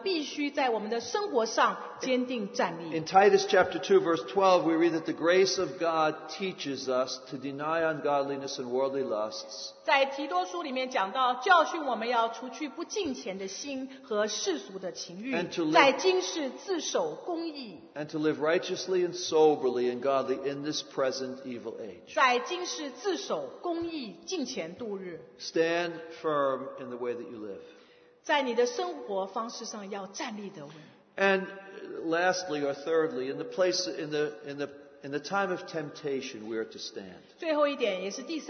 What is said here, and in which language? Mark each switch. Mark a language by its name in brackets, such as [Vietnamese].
[Chinese] 所以在今天这个时代活着的时候，我们必须在我们的生活上坚定站立。 [English] In Titus chapter 2, verse 12, we read that the grace of God teaches us to deny ungodliness and worldly lusts. [Chinese] 在提多书里面讲到，教训我们要除去不敬虔的心和世俗的情欲， 在今世自守公义。 [English] And to live righteously and soberly and godly in this present evil age. [Chinese] 在今世自守公义，敬虔度日。 [English] Stand firm in the way that you live. [Chinese] 在你的生活方式上要站立得稳。 [English] And lastly or thirdly, in the time of temptation, we are to stand.